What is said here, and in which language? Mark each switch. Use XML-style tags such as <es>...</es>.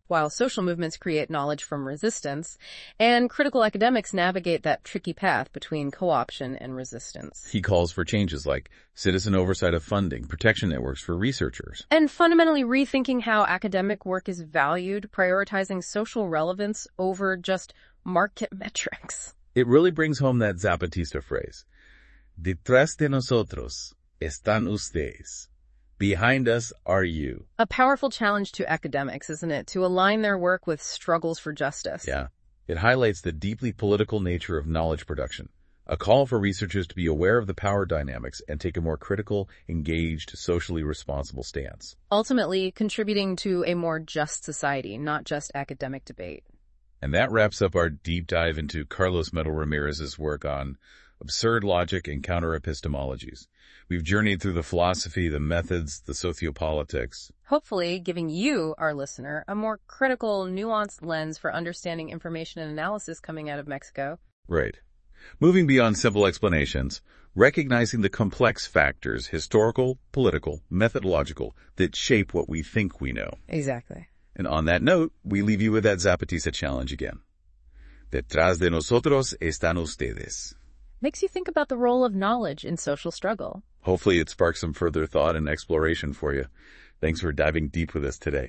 <en>While social movements create knowledge from resistance, and critical academics navigate that tricky path between co-option and resistance. He calls for changes like citizen oversight of funding, protection networks for researchers. And fundamentally rethinking how academic work is valued, prioritizing social relevance over just market metrics. It really brings home that Zapatista phrase.</en> <es>Detrás de nosotros están ustedes.</es> <en>Behind us are you. A powerful challenge to academics, isn't it? To align their work with struggles for justice. Yeah. It highlights the deeply political nature of knowledge production. A call for researchers to be aware of the power dynamics and take a more critical, engaged, socially responsible stance. Ultimately, contributing to a more just society, not just academic debate. And that wraps up our deep dive into Carlos Metal Ramirez's work on absurd logic and counter-epistemologies. We've journeyed through the philosophy, the methods, the sociopolitics. Hopefully giving you, our listener, a more critical, nuanced lens for understanding information and analysis coming out of Mexico. Right. Moving beyond simple explanations, recognizing the complex factors, historical, political, methodological, that shape what we think we know. Exactly. And on that note, we leave you with that Zapatista challenge again.</en> <es>Detrás de nosotros están ustedes.</es> <en>Makes you think about the role of knowledge in social struggle. Hopefully it sparks some further thought and exploration for you. Thanks for diving deep with us today.</en>